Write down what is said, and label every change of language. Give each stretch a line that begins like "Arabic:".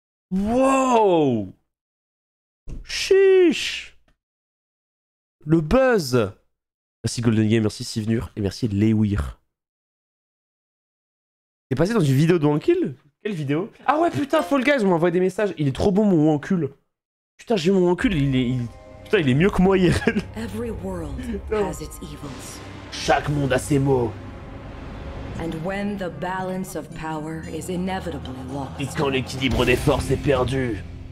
French: Wow! Chiche! Le buzz! Merci Golden Game, merci Sivnur et merci Lewir. T'es passé dans une vidéo de Wankill? Quelle vidéo? Ah ouais, putain, Fall Guys, on m'envoie des messages. Il est trop bon, mon Wankul. Putain, j'ai mon Wankul, Putain, il est mieux que moi, IRL.
English: Every world has its evils.
French: Chaque monde a ses maux.
English: And when the balance of power is inevitably lost.
French: Et quand l'équilibre des forces est perdu.